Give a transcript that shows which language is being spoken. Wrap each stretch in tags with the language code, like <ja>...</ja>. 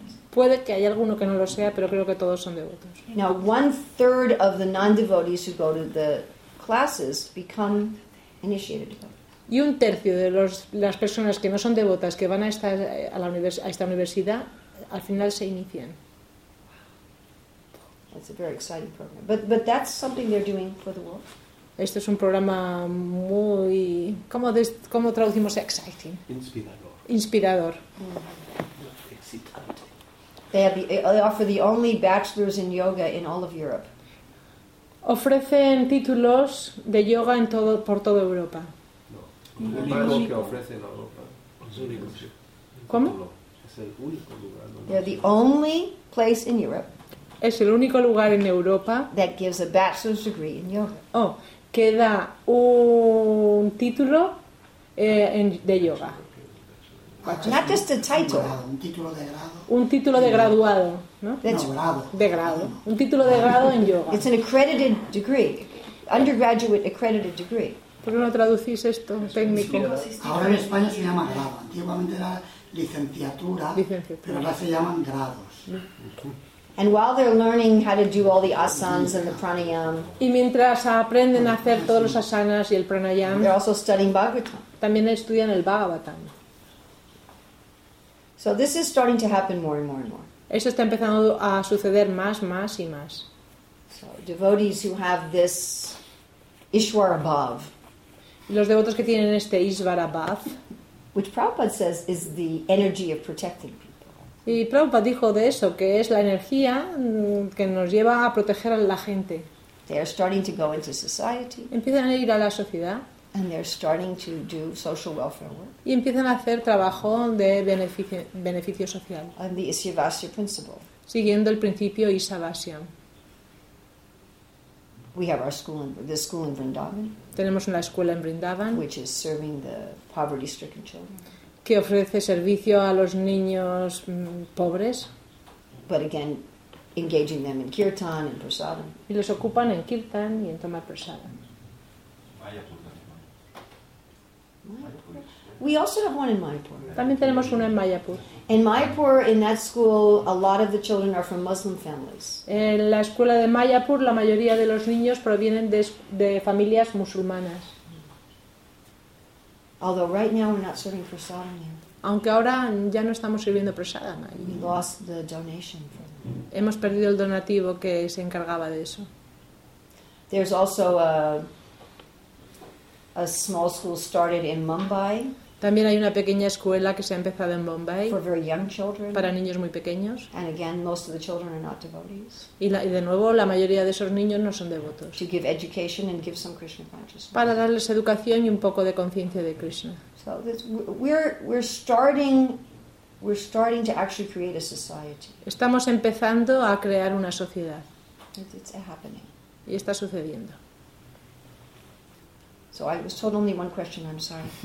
<es>Puede que haya alguno que no lo sea, pero creo que todos son devotos.</es> <en>Now, one third of the non-devotees who go to the classes become initiated devotees.</en> <es>Y un tercio de las personas que no son devotas que van a esta universidad al final se inician.</es> <en>That's a very exciting program. But that's something they're doing for the world.</en> <es>Esto es un programa muy ¿cómo traducimos exciting? Inspirador. Inspirador. Excitante.</es> <en>They offer the only bachelor's in yoga in all of Europe.</en> <es>Ofrecen títulos de yoga en todo, por toda Europa. No, el único que ofrece en Europa. ¿Cómo? Es el único lugar.</es> <en>They're the only place in Europe.</en> <es>Es el único lugar en Europa.</es> <en>That gives a bachelor's degree in yoga.</en> <es>Oh, que da un título de yoga.</es> <en>Not just a title.</en> <es>Un título de grado. Un título de graduado, ¿no? Grado. De grado. Un título de grado en yoga.</es> <en>It's an accredited degree. Undergraduate accredited degree.</en> <es>¿Por qué no traducís esto técnico? Ahora en España se llama grado. Antiguamente era licenciatura. Pero ahora se llaman grados.</es> <en>And while they're learning how to do all the asanas and the pranayama.</en> <es>Y mientras aprenden a hacer todos los asanas y el pranayama.</es> <en>They're also studying Bhagavatam.</en> <es>También estudian el Bhagavatam.</es> <en>So this is starting to happen more and more and more.</en> <es>Eso está empezando a suceder más, más y más.</es> <en>So devotees who have this Ishwar above.</en> <es>Los devotos que tienen este Ishwar above,</es> <en>which Prabhupada says is the energy of protecting people.</en> <es>Y Prabhupada dijo de eso que es la energía que nos lleva a proteger a la gente.</es> <en>They are starting to go into society.</en> <es>Empiezan a ir a la sociedad.</es> <en>And they're starting to do social welfare work.</en> <es>Y empiezan a hacer trabajo de beneficio social.</es> <en>And the Isyavasya principle.</en> <es>Siguiendo el principio Isyavasya.</es> <en>We have our school in the school in Vrindavan.</en> <es>Tenemos una escuela en Vrindavan.</es> <en>Which is serving the poverty-stricken children.</en> <es>Que ofrece servicio a los niños pobres.</es> <en>But again, engaging them in kirtan and prasadam.</en> <es>Y los ocupan en kirtan y en tomar prasadam.</es> <en>We also have one in Mayapur.</en> <es>También tenemos una en Mayapur.</es> <en>In Mayapur, in that school, a lot of the children are from Muslim families.</en> <es>En la escuela de Mayapur, la mayoría de los niños provienen de familias musulmanas.</es> <en>Although right now we're not serving prasadam here.</en> <es>Aunque ahora ya no estamos sirviendo prasadam allí.</es> <en>We lost the donation for them.</en> <es>Hemos perdido el donativo que se encargaba de eso.</es> <en>There's also a small school started in Mumbai.</en> <es>También hay una pequeña escuela que se ha empezado en Bombay.</es> <en>For very young children.</en> <es>Para niños muy pequeños.</es> <en>And again, most of the children are not devotees.</en> <es>Y de nuevo, la mayoría de esos niños no son devotos.</es> <en>To give education and give some Krishna consciousness.</en> <es>Para darles educación y un poco de conciencia de Krishna.</es> <en>So this, we're starting to actually create a society.</en> <es>Estamos empezando a crear una sociedad.</es> <en>It's happening.</en> <es>Y está sucediendo.</es> <en>So I was told only one question, I'm sorry.</en>